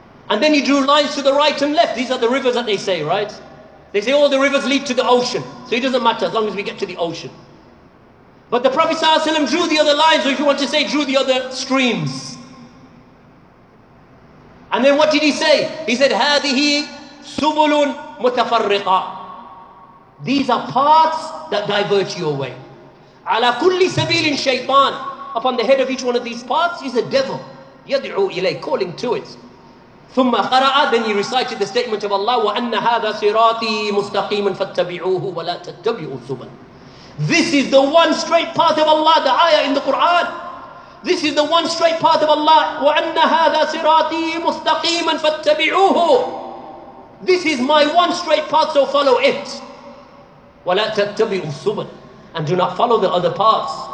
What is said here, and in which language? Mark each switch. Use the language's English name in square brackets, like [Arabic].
[English] And then he drew lines to the right and left. These are the rivers that they say, right? They say all the rivers lead to the ocean. So it doesn't matter as long as we get to the ocean. But the Prophet ﷺ drew the other lines, or if you want to say, drew the other streams. And then what did he say? He said, [Arabic] هَذِهِ سُبُلٌ مُتَفَرِّقًا. [English] These are paths that divert your way. [Arabic] عَلَى كُلِّ سَبِيلٍ شَيْطَانٍ. [English] Upon the head of each one of these paths is a devil. [Arabic] يَدْعُوا إِلَيْهِ, [English] calling to it. [Arabic] ثُمَّ قَرَأَ, [English] then he recited the statement of Allah, [Arabic] وَأَنَّ هَذَا صِرَاطِي مُسْتَقِيمًا فَاتَّبِعُوهُ وَلَا تَتَّبِعُوا السُّبُلَ. [English] This is the one straight path of Allah, the ayah in the Quran. This is the one straight path of Allah. [Arabic] وَأَنَّ هَذَا صِرَاطِي مُسْتَقِيمًا فَاتَّبِعُوهُ. [English] This is my one straight path, so follow it. [Arabic] وَلَا تَتَّبِعُوا السُّبُلَ. [English] And do not follow the other paths.